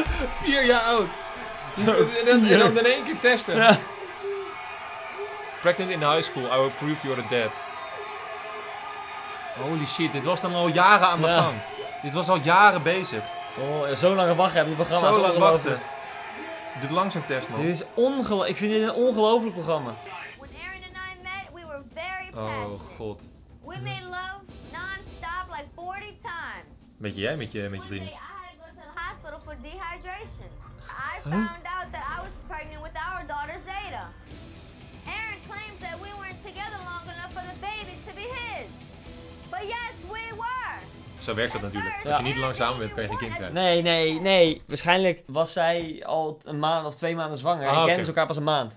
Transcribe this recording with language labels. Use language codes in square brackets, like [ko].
[nl] Vier jaar oud. En dan in één keer testen. Ja. [en] Pregnant in high school, I will prove you're the dad. Holy shit, [nl] dit was dan al jaren aan de gang. Dit was al jaren bezig. Oh, zo lang wachten heb je programma. Zo lang wachten. Dit langzaam test man. Dit is ik vind dit een ongelooflijk programma. [en] When Aaron and I met, we were very passionate. Oh god. We made love non-stop like 40 times. [nl] Met jij, met je vriend. [en] One day I had to go to the hospital for dehydration. I found out that I was pregnant with our daughter Zeta. Aaron claims that we weren't together long enough for the baby to be his. But yes, we were. [nl] Zo werkt dat natuurlijk. Ja. Als je niet lang samen bent, kan je geen kind krijgen. Nee. Waarschijnlijk was zij al een maand of twee maanden zwanger. Hij kende elkaar pas een maand.